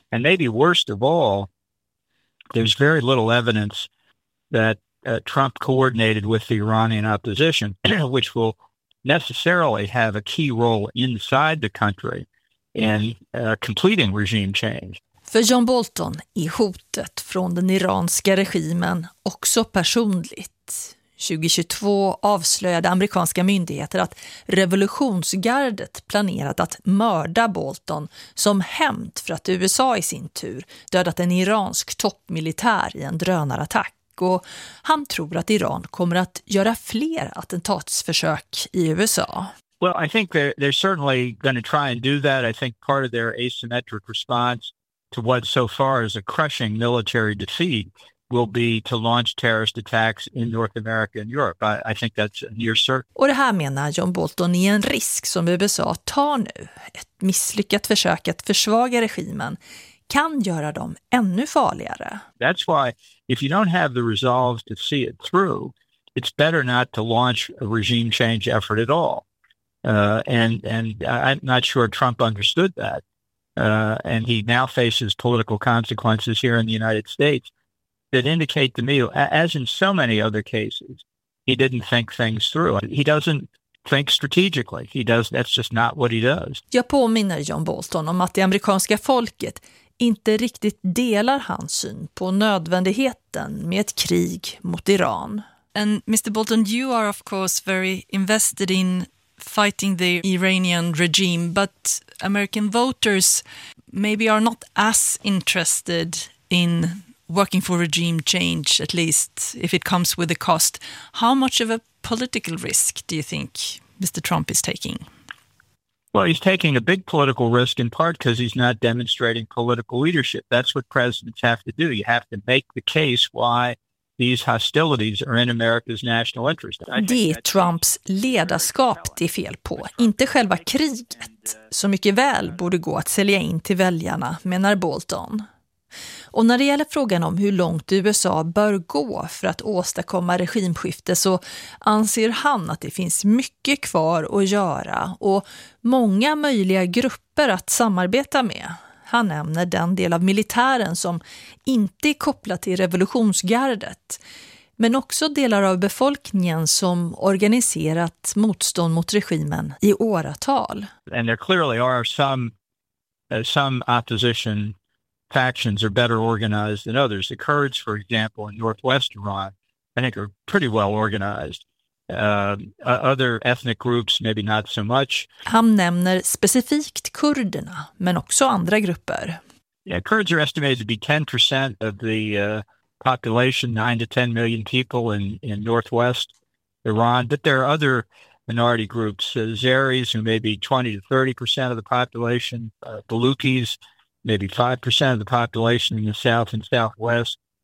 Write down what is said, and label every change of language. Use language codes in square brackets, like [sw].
[en] And maybe worst of all, there's very little evidence that Trump coordinated with the Iranian opposition, which will necessarily have a key role inside the country in completing regime change. [sv] För John Bolton är hotet från den iranska regimen också personligt. 2022 avslöjade amerikanska myndigheter att revolutionsgardet planerat att mörda Bolton som hämnd för att USA i sin tur dödat en iransk toppmilitär i en drönarattack. Och han tror att Iran kommer att göra fler attentatsförsök i USA. [en] Well, I think they're certainly going to try and do that. I think part of their asymmetric response to what so far is a crushing military defeat will be to launch terrorist attacks in North America and Europe. I think that's near certain. [sv] Och det här menar John Bolton är en risk som USA tar nu. Ett misslyckat försök att försvaga regimen kan göra dem ännu farligare. [en] That's why if you don't have the resolve to see it through, it's better not to launch a regime change effort at all. And I'm not sure Trump understood that. And he now faces political consequences here in the United States that indicate to me, as in so many other cases, he didn't think things through. He doesn't think strategically. He does. That's just not what he does. [sv] Jag påminner John Bolton om att det amerikanska folket inte riktigt delar hans syn på nödvändigheten med ett krig mot Iran. [en] And Mr. Bolton, you are of course very invested in fighting the Iranian regime, but American voters maybe are not as interested in working for regime change, at least if it comes with a cost. How much of a political risk do you think Mr. Trump is taking? Well, he's taking a big political risk in part because he's not demonstrating political leadership. That's what presidents have to do. You have to make the case why these hostilities are in America's national interest. [sv] Det är Trumps ledarskap det är fel på, inte själva kriget. Så mycket väl borde gå att sälja in till väljarna, menar Bolton. Och när det gäller frågan om hur långt USA bör gå för att åstadkomma regimskifte så anser han att det finns mycket kvar att göra och många möjliga grupper att samarbeta med. Han nämner den del av militären som inte är kopplad till revolutionsgardet, men också delar av befolkningen som organiserat motstånd mot regimen i åratal. [en] And there clearly are some opposition factions are better organized than others. The Kurds, for example, in northwest Iran I think, are pretty well organized. Other ethnic groups, maybe not so much. [sv] Han nämner specifikt kurderna, men också andra grupper. [en] Yeah, Kurds are estimated to be 10% of the population, 9 to 10 million people in northwest Iran. But there are other minority groups, Azeris, who may be 20 to 30% of the population, Baluchis, maybe 5% of the population in the south and southwest.